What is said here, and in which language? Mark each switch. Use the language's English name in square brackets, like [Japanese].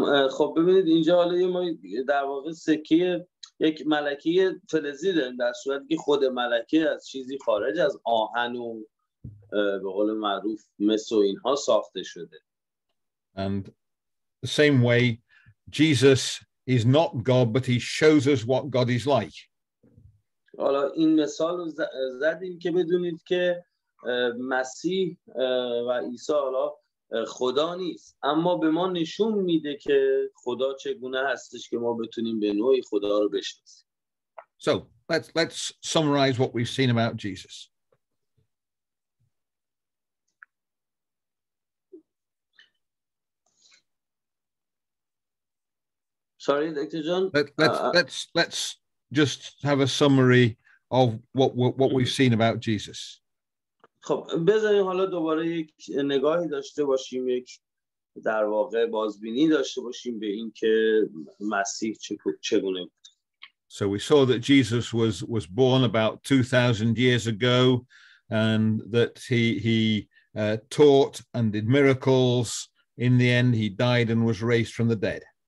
[Persian] خب ببینید اینجا حالا ما در واقع سکه یک ملکه فلزی داریم در صورتی که خود ملکه از چیزی خارج از آهن و به قول معروف مس و اینها ساخته شده. [English] And the same way, Jesus is not God, but he shows us what God is like. [Persian] حالا این مثال رو زدیم که بدونید که مسیح و عیسی حالا خدا نیست اما به ما نشون میده که خدا چگونه هستش که ما بتونیم به نوعی خدا رو بشناسیم. [English] So let's summarize what we've seen about Jesus. Sorry, Dr. John. Let's just have a summary of what we've seen about Jesus. [Persian] خب بذاریم حالا دوباره یک نگاهی داشته باشیم یک در واقع بازبینی داشته باشیم به این که مسیح چگونه بود. [English] So we saw that Jesus was born about 2000 years ago and that he taught and did miracles. In the end he died and was raised from the dead.